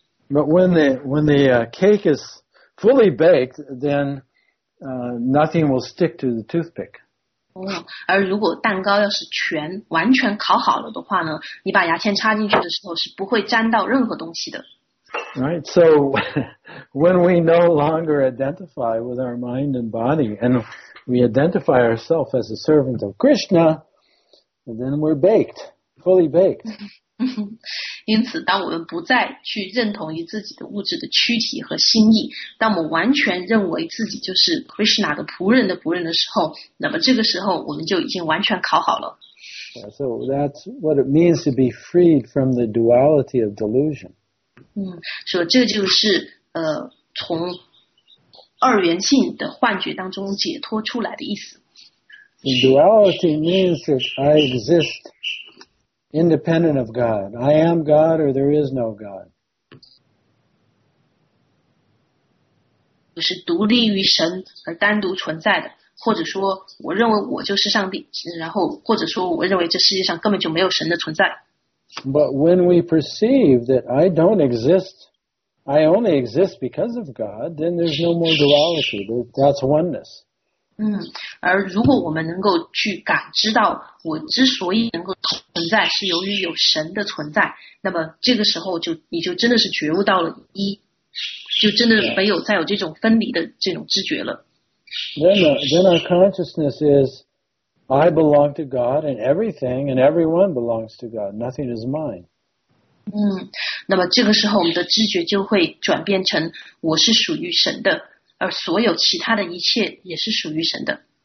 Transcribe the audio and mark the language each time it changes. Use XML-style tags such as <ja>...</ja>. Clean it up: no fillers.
<en>But when the cake is fully baked, then nothing will stick to the toothpick.</en> <zh>而如果蛋糕要是全完全烤好了的话呢，你把牙签插进去的时候是不会沾到任何东西的。</zh> <en>Right, so when we no longer identify with our mind and body, and we identify ourselves as a servant of Krishna, then we're baked, fully baked.</en> <zh>因此，当我们不再去认同于自己的物质的躯体和心意，当我们完全认为自己就是 Krishna 的仆人的仆人的时候，那么这个时候我们就已经完全烤好了。</zh> <en>Yeah, so that's what it means to be freed from the duality of delusion.</en> <zh>所以这就是从二元性的幻觉当中解脱出来的意思。</zh> <en>The duality means that I exist independent of God. I am God or there is no God.</en> <zh>我是独立于神而单独存在的，或者说我认为我就是上帝，然后或者说我认为这世界上根本就没有神的存在。</zh> <en>But when we perceive that I don't exist, I only exist because of God, then there's no more duality. That's oneness.</en> <zh>而如果我们能够去感知到我之所以能够存在是由于有神的存在，那么这个时候就你就真的是觉悟到了一，就真的没有再有这种分离的这种知觉了。</zh> <en>Then our consciousness is, I belong to God and everything and everyone belongs to God. Nothing is mine.</en> <zh>那么这个时候我们的知觉就会转变成我是属于神的，而所有其他的一切也是属于神的。</zh>